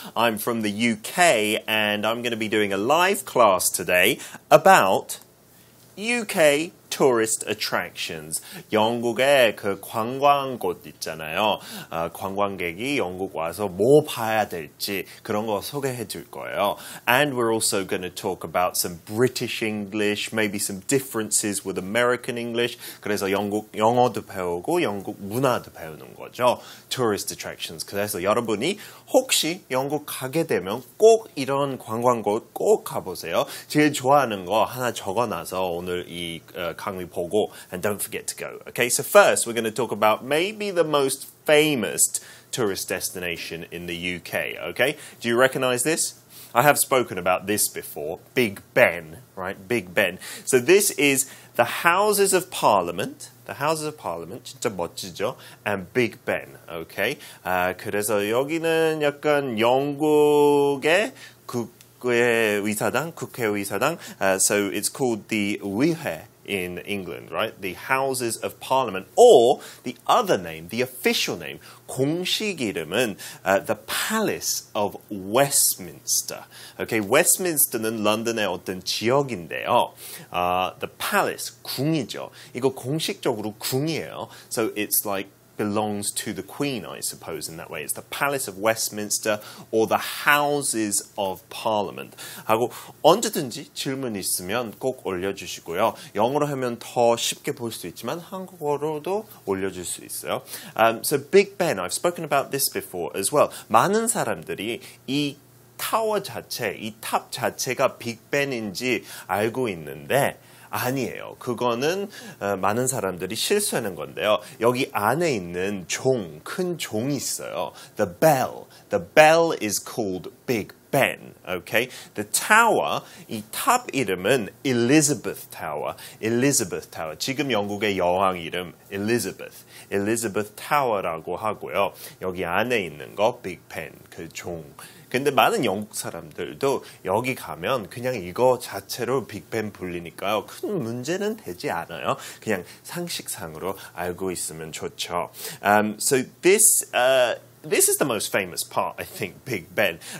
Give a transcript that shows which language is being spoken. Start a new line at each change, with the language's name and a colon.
English: I'm from the UK and I'm going to be doing a live class today about UK tourist attractions.
Korean: 영국의 그 관광곳 있잖아요. 관광객이 영국 와서 뭐 봐야 될지 그런 거 소개해 줄 거예요.
English: And we're also going to talk about some British English, maybe some differences with American English.
Korean: 그래서 영국 영어도 배우고 영국 문화도 배우는 거죠.
English: Tourist attractions.
Korean: 그래서 여러분이 혹시 영국 가게 되면 꼭 이런 관광곳 꼭 가보세요. 제일 좋아하는 거 하나 적어놔서 오늘 이 강의 보고
English: and don't forget to go. Okay, so first we're going to talk about maybe the most famous tourist destination in the UK. Okay, do you recognize this? I have spoken about this before. Big Ben, right? Big Ben. So this is the Houses of Parliament. The Houses of Parliament,
Korean: 진짜 멋지죠?
English: And Big Ben, okay?
Korean: 그래서 여기는 약간 영국의 국회의사당, 국회의사당.
English: So it's called the 의회 in England, right? The Houses of Parliament. Or the other name, the official name,
Korean: 공식 이름은
English: the Palace of Westminster.
Korean: Okay, Westminster는 런던의 어떤 지역인데요.
English: The palace,
Korean: 궁이죠. 이거 공식적으로 궁이에요.
English: So it's like belongs to the Queen, I suppose, in that way. It's the Palace of Westminster or the Houses of Parliament.
Korean: 하고 언제든지 질문 있으면 꼭 올려주시고요. 영어로 하면 더 쉽게 볼 수 있지만 한국어로도 올려줄 수 있어요.
English: So Big Ben, I've spoken about this before as well.
Korean: 많은 사람들이 이 타워 자체, 이 탑 자체가 빅벤인지 알고 있는데 아니에요. 그거는 많은 사람들이 실수하는 건데요. 여기 안에 있는 종, 큰 종이 있어요.
English: The bell. The bell is called Big Ben. Okay? The tower,
Korean: 이 탑 이름은 Elizabeth Tower.
English: Elizabeth Tower.
Korean: 지금 영국의 여왕 이름 Elizabeth. Elizabeth Tower라고 하고요. 여기 안에 있는 거 Big Ben, 그 종. 근데 많은 영국 사람들도 여기 가면 그냥 이거 자체로 빅벤 불리니까요. 큰 문제는 되지 않아요. 그냥 상식상으로 알고 있으면 좋죠.
English: So this is the most famous part, I think, Big Ben.